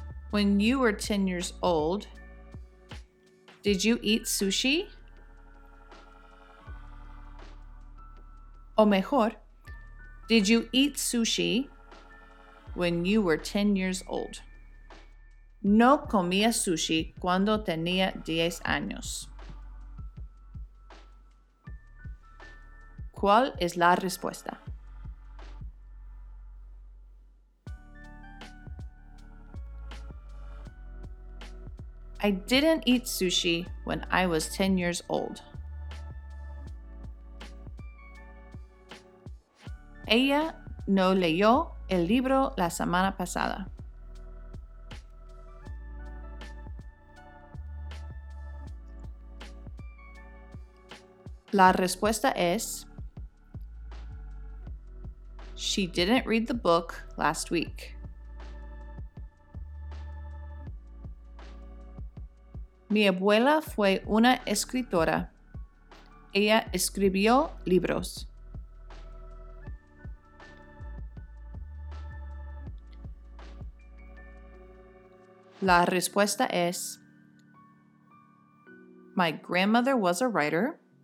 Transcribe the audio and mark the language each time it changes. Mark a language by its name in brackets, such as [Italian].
[English] When you were 10 years old, did you eat sushi? [Spanish] O mejor, [English] did you eat sushi when you were 10 years old? [Spanish] No comía sushi cuando tenía 10 años. ¿Cuál es la respuesta? [English] I didn't eat sushi when I was 10 years old. [Spanish] Ella no leyó el libro la semana pasada. La respuesta es: [English] She didn't read the book last week. [Spanish] Mi abuela fue una escritora. Ella escribió libros. [English] La respuesta es: My grandmother was a writer.